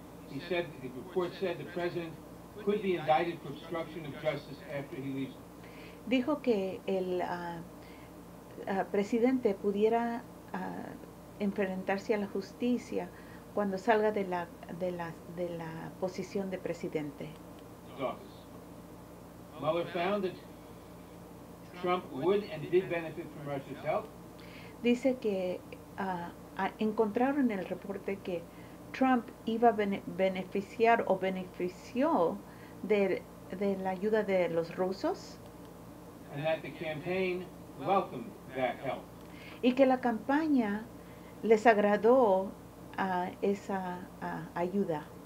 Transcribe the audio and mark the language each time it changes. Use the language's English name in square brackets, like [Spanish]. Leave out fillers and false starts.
[English] He said the report said the president could be indicted for obstruction of justice after he leaves. [Spanish] Dijo que el presidente pudiera enfrentarse a la justicia cuando salga de la posición de presidente. [English] Mueller found that Trump would and did benefit from Russia's help. [Spanish] Dice que encontraron en el reporte que Trump iba a beneficiar o benefició de la ayuda de los rusos. [English] And that the campaign welcomed. That help. [Spanish] Y que la campaña les agradó a esa ayuda.